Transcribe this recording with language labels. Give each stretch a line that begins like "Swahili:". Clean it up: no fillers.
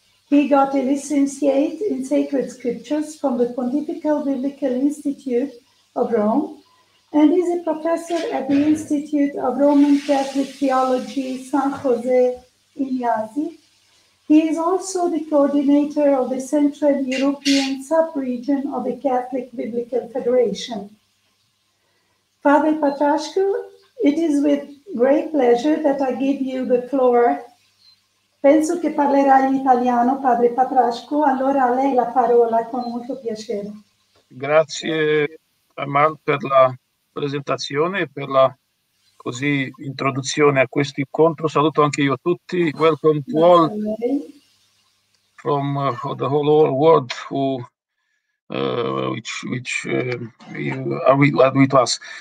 English: He got a licentiate in Sacred Scriptures from the Pontifical Biblical Institute of Rome and is a professor at the Institute of Roman Catholic Theology, San Jose in Iasi. He is also the coordinator of the Central European sub-region of the Catholic Biblical Federation. Father Patrașcu, it is with great pleasure that I give you the floor.
Italian: Penso che parlerà in italiano, padre Patrasco, allora a lei la parola con molto piacere. Grazie Amal per la presentazione e per la così introduzione a questo incontro. Saluto anche io a tutti.
English: Welcome to all from the whole world who are with us.